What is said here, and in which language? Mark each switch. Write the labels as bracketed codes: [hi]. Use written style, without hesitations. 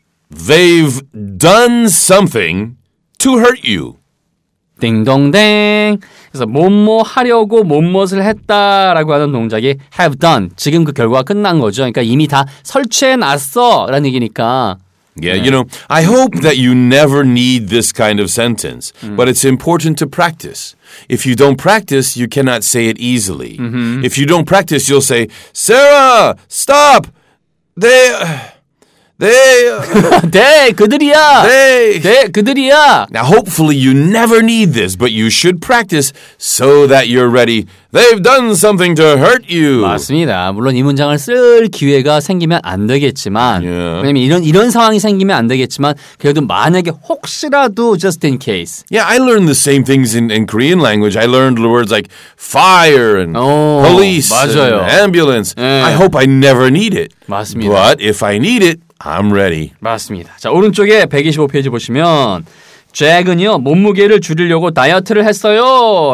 [en] 'They've done something to hurt you.' [ko] 딩동댕. 그래서 뭐뭐 하려고 뭐뭐를 했다라고 하는 동작이 [en] have done. [ko] 지금 그 결과가 끝난 거죠. 그러니까 이미 다 설치해놨어라는 얘기니까. [en] Yeah, you know, I hope that you never need this kind of sentence, but it's important to practice. If you don't practice, you cannot say it easily. If you don't practice, you'll say, Sarah, stop! They, [ko] 그들이야! [en] Now, hopefully you never need this, but you should practice so that you're ready. They've done something to hurt you. [ko] 맞습니다. 물론 이 문장을 쓸 기회가 생기면 안 되겠지만, 왜냐면 이런 상황이 생기면 안 되겠지만, 그래도 만약에 혹시라도 [en] just in case. Yeah, I learned the same things in Korean language. I learned the words like fire and police and ambulance. [ko] 네. [en] I hope I never need it. [ko] 맞습니다. [en] But if I need it, I'm ready. [ko] 맞습니다. 자, 오른쪽에 125페이지 보시면 잭은요, 몸무게를 줄이려고 다이어트를 했어요.